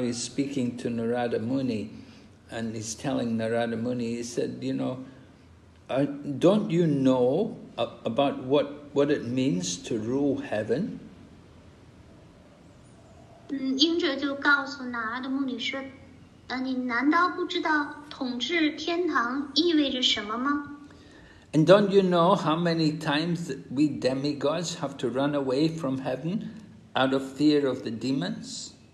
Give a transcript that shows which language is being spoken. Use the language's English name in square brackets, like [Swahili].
[English] He's speaking to Narada Muni, and he's telling Narada Muni. He said, "You know, don't you know about what it means to rule heaven?" [Chinese] 英者就告诉拿阿德穆女士，你难道不知道统治天堂意味着什么吗？ [English] And don't you know how many times that we demigods have to run away from heaven out of fear of the demons?